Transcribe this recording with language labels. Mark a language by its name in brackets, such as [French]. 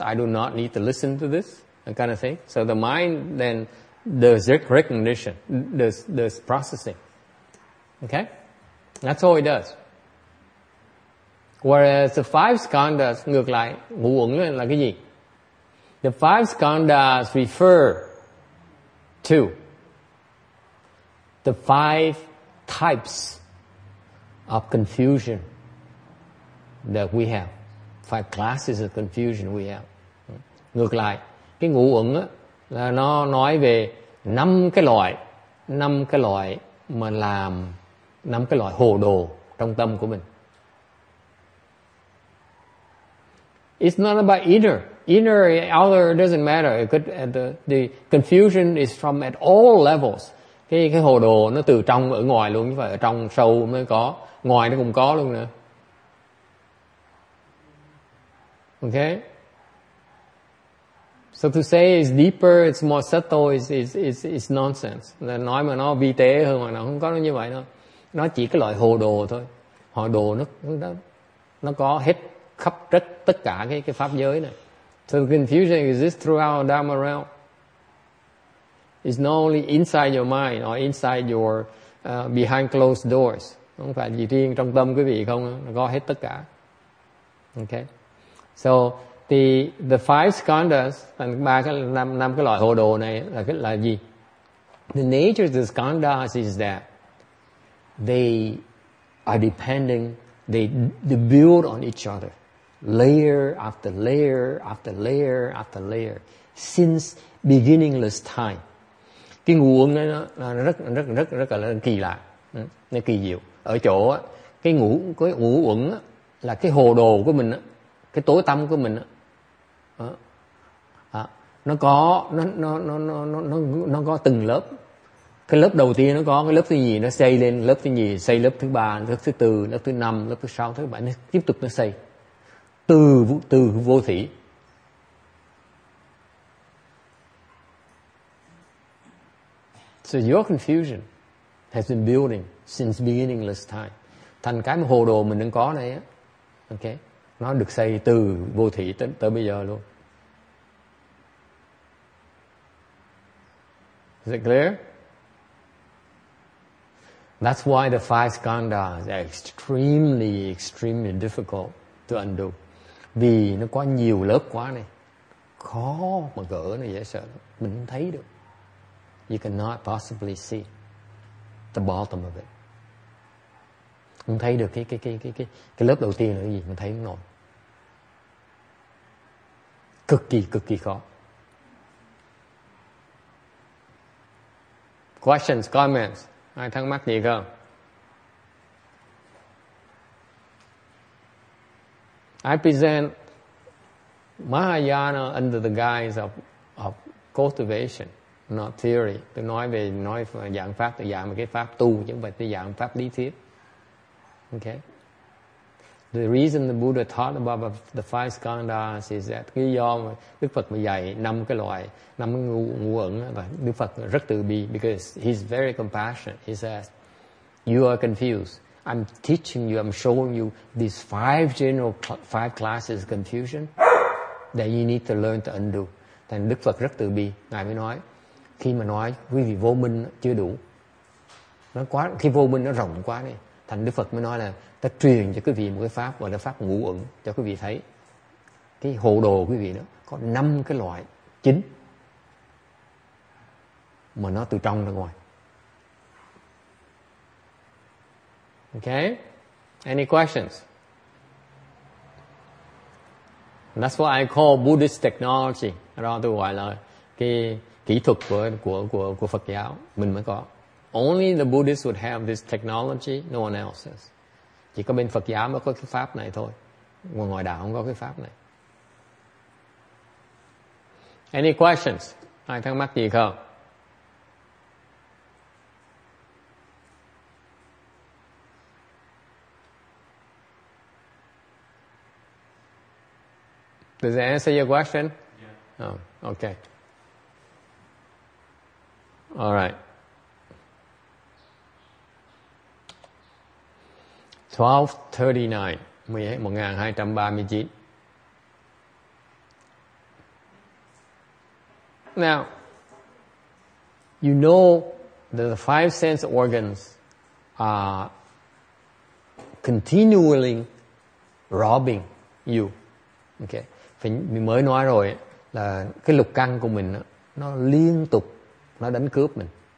[English] I do not need to listen to this, that kind of thing. So the mind then does recognition, does processing. Okay, that's all it does. Whereas the five skandhas, [Vietnamese] ngược lại, ngũ uẩn là cái gì? [English] The five skandhas refer to the five types of confusion that we have. Five classes of confusion we have. [Vietnamese] Ngược lại, cái ngũ uẩn là nó nói về năm cái loại mà làm năm cái loại hồ đồ trong tâm của mình. [English] It's not about inner, outer, doesn't matter. The confusion is from at all levels. [Vietnamese] Cái hồ đồ nó từ trong ở ngoài luôn, chứ phải ở trong sâu mới có, ngoài nó cũng có luôn nữa. [English] Okay. So to say it's deeper, it's more subtle, it's nonsense. [Vietnamese] Nói mà nó vi tế hơn mà nó không có nó như vậy đâu. Nó chỉ cái loại hồ đồ thôi. Hồ đồ nó có hết khắp tất cả cái pháp giới này. [English] So the confusion exists throughout the Dharma realm. It's not only inside your mind or inside your behind closed doors. [Vietnamese] Không phải gì riêng trong tâm quý vị không, nó có hết tất cả. Okay. [English] So the five skandhas, [Vietnamese] năm cái loại hồ đồ này là gì? [English] The nature of the skandhas is that they are depending, they build on each other. Layer after layer after layer after layer since beginningless time. [Vietnamese] Cái nguồn này nó rất rất rất rất là kỳ lạ, nó kỳ diệu ở chỗ cái ngũ uẩn là cái hồ đồ của mình, cái tối tâm của mình, nó có từng lớp. Cái lớp đầu tiên nó có, cái lớp thứ nhì nó xây lên, lớp thứ nhì xây lớp thứ ba, lớp thứ tư, lớp thứ năm, lớp thứ sáu, thứ bảy, nó tiếp tục nó xây từ vô thủy. [English] So your confusion has been building since beginningless time. [Vietnamese] Thành cái hồ đồ mình đang có này á, okay, nó được xây từ vô thủy tới bây giờ luôn. [English] Is it clear? That's why the five skandhas are extremely, extremely difficult to undo. [Vietnamese] Vì nó quá nhiều lớp quá này, khó mà gỡ nó, dễ sợ lắm. Mình không thấy được. [English] You cannot possibly see the bottom of it. [Vietnamese] Không thấy được cái lớp đầu tiên là cái gì, mình thấy không nổi. Cực kỳ khó. [English] Questions, comments? [Vietnamese] Ai thắc mắc gì không? [English] I present Mahayana under the guise of cultivation, not theory. [Vietnamese] Tôi nói dạng pháp, tôi dạng cái pháp tu, chứ không phải tôi dạng pháp lý thuyết. Okay. [English] The reason the Buddha taught about the five skandhas is that [Vietnamese] cái do Đức Phật mà dạy năm cái ngũ uẩn và Đức Phật rất từ bi, [English] because he's very compassionate. He says, "You are confused. I'm teaching you, I'm showing you these five general five classes of confusion. that you need to learn to undo. [Vietnamese] Thành Đức Phật rất từ bi, Ngài mới nói, khi mà nói quý vị vô minh chưa đủ, nó quá, khi vô minh nó rộng quá đi, thành Đức Phật mới nói là ta truyền cho quý vị một cái pháp gọi là pháp ngũ uẩn, cho quý vị thấy cái hồ đồ quý vị đó có năm cái loại chính mà nó từ trong ra ngoài. [English] Okay, any questions? That's what I call Buddhist technology. [Vietnamese] Đó tôi gọi là cái kỹ thuật của Phật giáo mình mới có. [English] Only the Buddhists would have this technology, no one else has. [Vietnamese] Chỉ có bên Phật giáo mới có cái pháp này thôi. Ngoài ngoài đạo không có cái pháp này. [English] Any questions? [Vietnamese] Ai thắc mắc gì không? [English] Does that answer your question? Yeah. Oh, okay. All right. 1239. Now, you know that the five sense organs are continually robbing you. Okay. [Vietnamese] Mình mới nói rồi là cái lục căn của mình nó liên tục nó đánh cướp mình.